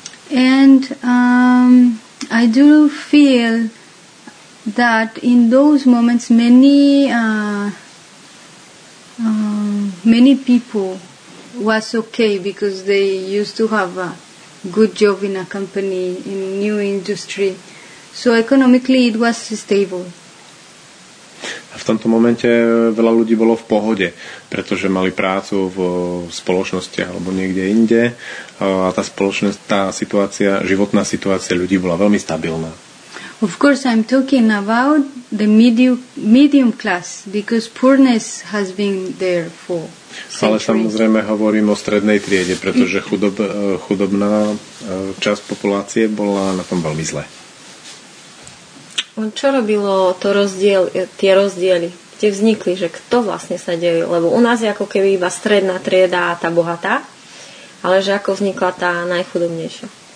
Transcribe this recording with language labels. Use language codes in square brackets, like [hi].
[en] And I do feel that in those moments many people was okay because they used to have a good job in a company in new industry, so economically it was stable. [sk] A v tomto momente veľa ľudí bolo v pohode, pretože mali prácu v spoločnosti alebo niekde inde, a tá situácia, životná situácia ľudí bola veľmi stabilná. [en] Of course, I'm talking about the medium class, because poorness has been there for centuries. [sk] Ale samozrejme hovorím o strednej triede, pretože chudobná časť populácie bola na tom veľmi zle. Čo robilo to rozdiel, tie rozdiely? Kde vznikli, že kto vlastne sa delil? Lebo u nás je ako keby iba stredná trieda a tá bohatá, ale že ako vznikla tá najchudobnejšia?